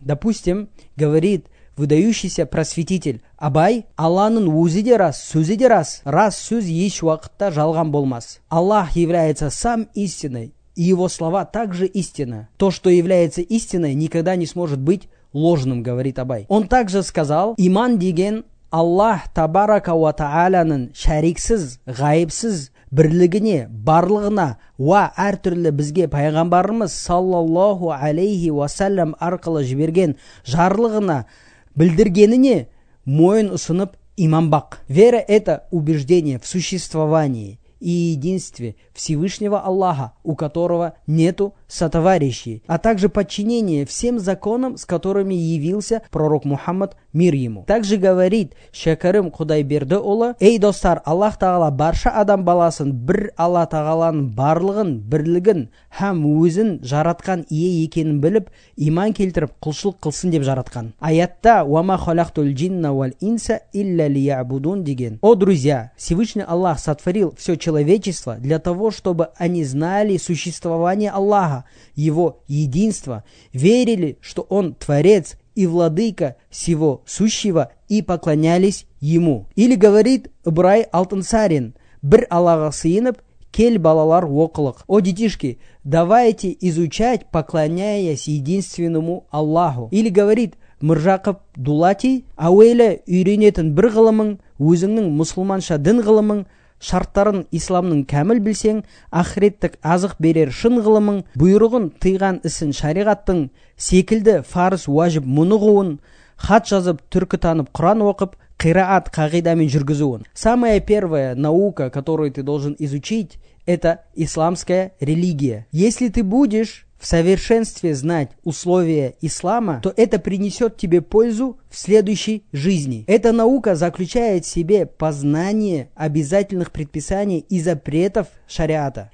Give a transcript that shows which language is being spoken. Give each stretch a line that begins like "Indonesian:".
Russian: Допустим, говорит выдающийся просветитель Абай:
Kazakh: «Аланын узиде рас, сузиде рас, рас сюз еш уақытта жалған болмас».
Russian: Аллах является сам истиной, и его слова также истина. То, что является истиной, никогда не сможет быть ложным, говорит Абай. Он также сказал:
Kazakh: «Иман деген Аллах табарака ва тааланын шариксіз, ғайыпсіз, бірлігіне, барлығына, ва әртүрлі бізге пайғамбарымыз саллаллаху алейхи ва саллям арқылы жіберген жарлығына, білдіргеніне мойын ұсынып иман бақ».
Russian: Вера – это убеждение в существовании и единстве Всевышнего Аллаха, у которого нету сотоварищей, а также подчинение всем законам, с которыми явился пророк Мухаммад, мир ему. Также говорит
Kazakh: Шакарым Худайберді ұлы: «Эй достар, Аллах Тағала барша адам баласын бір Алла Тағалан барлығын, бірлігін, хам өзін жаратқан ие екенін біліп, иман келтіріп, құлшылық қылсын деп жаратқан». Аятта
Arabic: «Уама халяқтул джинна вал инса илля лиябудун»
Kazakh: деген.
Russian: О, друзья, Всевышний Аллах сотворил все человечество для того, чтобы они знали существование Аллаха, его единство, верили, что он творец и владыка всего сущего, и поклонялись ему. Или говорит
Kazakh: Ибрай Алтынсарин: «Бір Аллаға сыйынып, кел балалар оқылық».
Russian: О, детишки, давайте изучать, поклоняясь единственному Аллаху. Или говорит
Kazakh: Мыржақып Дулати: «Ауэлі үйренетін бір ғылымын, өзіңнің мұсылманша дін ғылымын, шарттарын исламның кәміл білсең, ахреттік азық берер шын ғылымын, бұйрығын тыйған ісін шариғаттың, секілді фарыз уажіп мұнығуын, хат жазып түркі танып Құран оқып, қираат қағидамен жүргізуын».
Russian: Самая первая наука, которую ты должен изучить, это исламская религия. Если ты будешь в совершенстве знать условия ислама, то это принесет тебе пользу в следующей жизни. Эта наука заключает в себе познание обязательных предписаний и запретов шариата.